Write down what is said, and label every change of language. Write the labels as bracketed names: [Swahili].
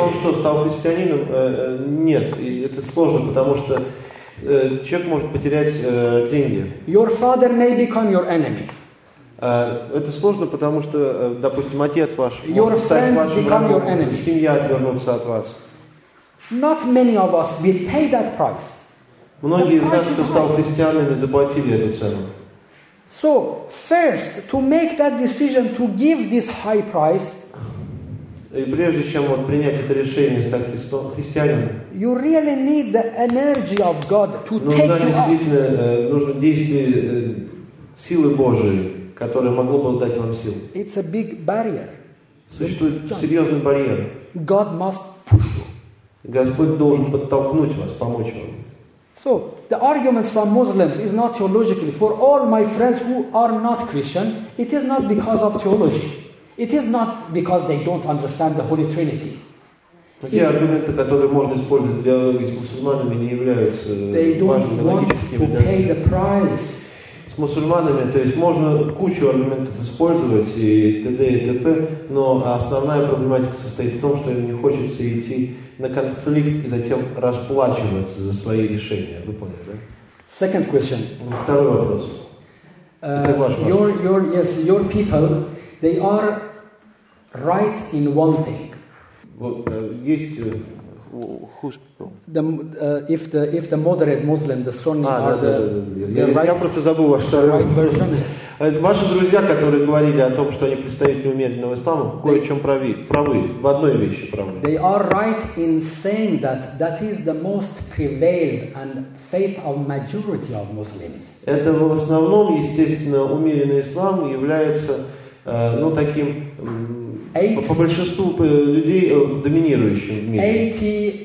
[Russian] Думаете, что стал христианином? Нет, и это сложно, потому что человек может потерять деньги. [English] Your father may become your enemy. [Russian] Это сложно, потому что, допустим, отец ваш может стать вашим врагом, семья отвернуться от вас. [English] Not many of us will pay that price. [Russian] Многие из нас, кто стал христианами, заплатили эту цену. [English] So, first, to make that decision to give this high price, [Russian] и прежде чем вот принять это решение стать христианином, [English] you really need the energy of God to take it up. [Russian] Нужно действие силы Божией, которое могло бы дать вам силу. [English] It's a big barrier. [Russian] Существует серьезный барьер. [English] God must push you. [Russian] Господь должен подтолкнуть вас, помочь вам. [English] So, the arguments from Muslims is not theologically. For all my friends who are not Christian, it is not because of theology. It is not because they don't understand the Holy Trinity. [Russian] Те аргументы, которые можно использовать для диалога с мусульманами, не являются важными логическими. С мусульманами, то есть можно кучу аргументов использовать и т.д. и т.п., но основная проблематика состоит в том, что им не хочется идти на конфликт и затем расплачиваться за свои решения. Вы поняли, да? [English] Second question. [Russian] Второй вопрос. Это ваш вопрос. [English] Your people, they are right in one thing. [Russian] Есть... [English] Who's people? If the moderate Muslim, the Sunni are [Russian] Я просто забыл ваш [English] right. [Russian] Ваши друзья, которые говорили о том, что они представители умеренного ислама, кое чем правы. Правы в одной вещи правы. [English] They are right in saying that is the most prevailed and faith of majority of Muslims. [Russian] Это в основном, естественно, умеренный ислам является таким. По большинству людей доминирующим в мире.